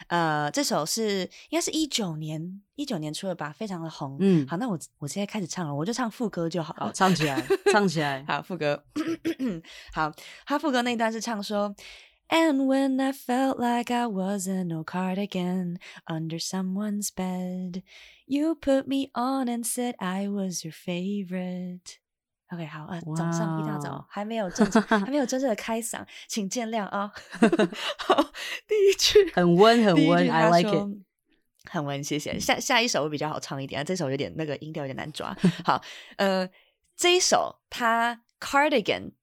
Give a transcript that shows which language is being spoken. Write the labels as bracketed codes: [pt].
[zh] 嗯，这首是应该是19年出了吧，非常的红。嗯，好，那我现在开始唱了，我就唱副歌就好了。好，唱起来，唱起来。好，副歌。好，他副歌那一段是唱说。 [en] And when I felt like I was an old cardigan under someone's bed, you put me on and said I was your favorite. [zh] OK, 好，早上一大早还没有真正的开嗓，请见谅啊。好，第一句很温很温 ， [en] I like it。 [zh] 很温，谢谢。下一首我比较好唱一点，这首有点那个音调有点难抓。好，这一首它 cardigan。